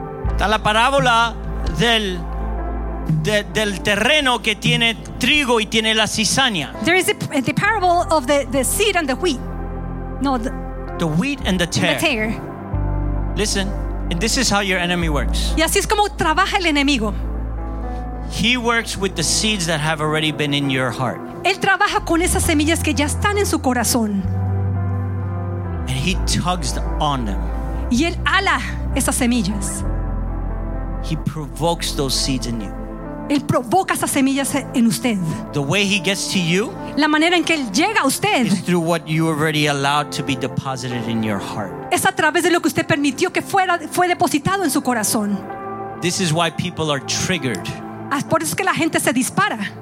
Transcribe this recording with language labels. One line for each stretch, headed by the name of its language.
Spanish: Está la parábola del terreno que tiene trigo y tiene la cizaña.
English: There is the parable of the seed and the wheat. No, the wheat and the tare. The tare. Listen, and this is how your enemy works.
Spanish: Y así es como trabaja el enemigo.
English: He works with the seeds that have already been in your heart.
Spanish: Él trabaja con esas semillas que ya están en su corazón.
English: And he tugs on them.
Spanish: Y él ala esas semillas.
English: He provokes those seeds in you.
Spanish: Él provoca esas semillas en usted.
English: The way he gets to you,
Spanish: la manera en que él llega a usted,
English: is through what you already allowed to be deposited in your heart.
Spanish: Es a través de lo que usted permitió que fue depositado en su corazón.
English: This is why people are triggered.
Spanish: Por eso es que la gente se dispara.